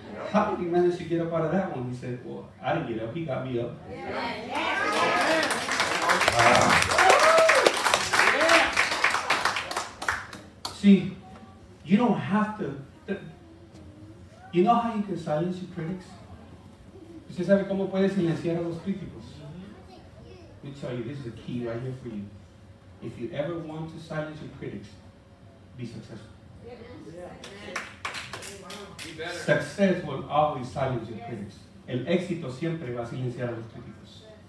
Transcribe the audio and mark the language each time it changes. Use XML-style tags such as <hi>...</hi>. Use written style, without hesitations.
<en>How did he manage to get up out of that one? He said, well, I didn't get up, he got me up. See, you don't have to. You know how you can silence your critics?</en> <es>¿Usted sabe cómo puede silenciar a los críticos?</es> <en>Let me tell you, this is a key right here for you. If you ever want to silence your critics, be successful. Success will always silence your critics.</en> <es>El éxito siempre va a silenciar a los críticos.</es>